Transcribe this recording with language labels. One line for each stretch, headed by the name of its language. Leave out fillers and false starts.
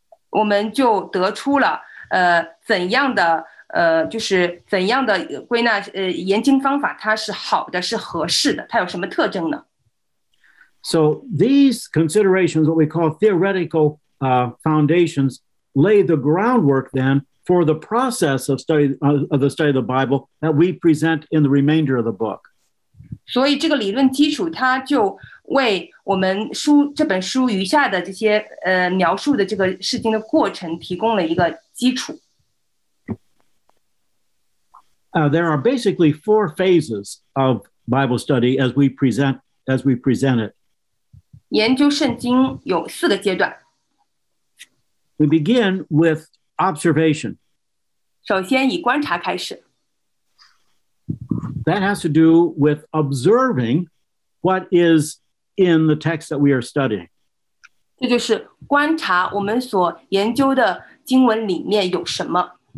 Chinese: 我们就得出了怎样的就是怎样的归纳研经方法它是好的是合适的它有什么特征呢
English: So these considerations what we call theoretical foundations lay the groundwork then for the process of study of the study of the Bible that we present in the remainder of the book
Chinese: 所以这个理论基础它就为我们书这本书余下的这些描述的这个释经的过程提供了一个基础
English: There are basically four phases of Bible study as we present it.
Chinese: 研究圣经有四个阶段。
English: We begin with observation.
Chinese: 首先以观察开始。
English: That has to do with observing what is in the text that we are studying.
Chinese: 这就是观察我们所研究的经文里面有什么。